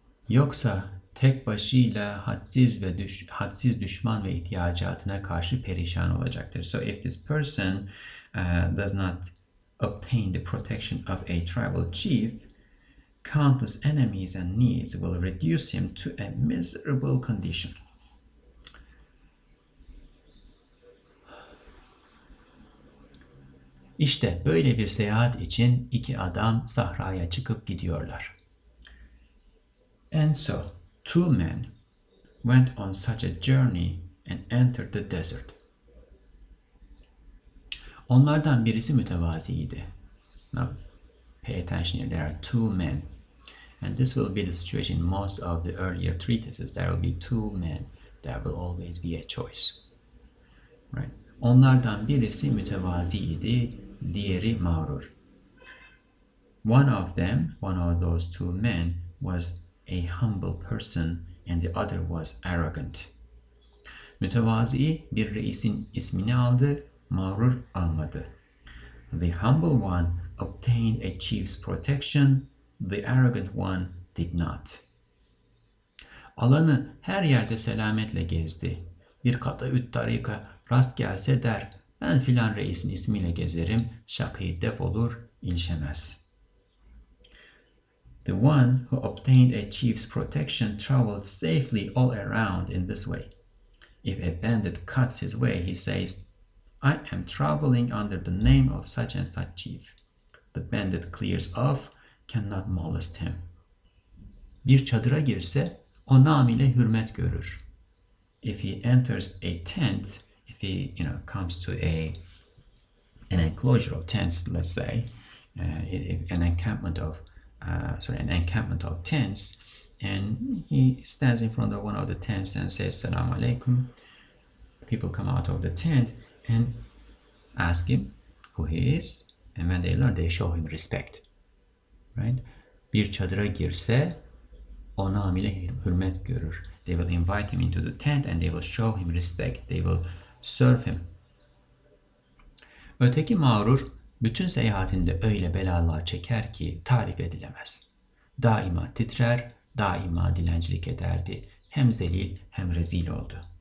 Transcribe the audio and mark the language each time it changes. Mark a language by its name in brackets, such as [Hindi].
[Turkish] Yoksa tek başıyla hadsiz düşman ve ihtiyacatına karşı perişan olacaktır. [English] So if this person does not obtain the protection of a tribal chief, countless enemies and needs will reduce him to a miserable condition. [Turkish] İşte böyle bir seyahat için iki adam sahraya çıkıp gidiyorlar. [English] And so, two men went on such a journey and entered the desert. [Turkish] Onlardan birisi mütevaziydi. [English] Now, pay attention here. There are two men. And this will be the situation in most of the earlier treatises. There will be two men. There will always be a choice. Right? [Turkish] Onlardan birisi mütevaziydi, diğeri mağrur. [English] One of those two men was a humble person, and the other was arrogant. [Turkish] Mütevazi bir reisin ismini aldı, mağrur almadı. [English] The humble one obtained a chief's protection, the arrogant one did not. [Turkish] Alanı her yerde selametle gezdi. Bir kata üt tarika rast gelse der, ben filan reisin ismiyle gezerim, şakı def olur, inşemez. [English] The one who obtained a chief's protection traveled safely all around in this way. If a bandit cuts his way, he says, I am traveling under the name of such and such chief. The bandit clears off, cannot molest him. [Turkish] Bir çadıra girse, o nam ile hürmet görür. [English] If he enters a tent, if he, you know, comes to an enclosure of tents, let's say, an encampment of tents, and he stands in front of one of the tents and says, Salaam alaikum. People come out of the tent and ask him who he is, and when they learn, they show him respect, right? [Turkish] Bir çadıra girse, o nam ile hürmet görür. [English] They will invite him into the tent and they will show him respect. They will serve him. [Turkish] Öteki mağrur, bütün seyahatinde öyle belalar çeker ki tarif edilemez. Daima titrer, daima dilencilik ederdi. Hem zelil hem rezil oldu.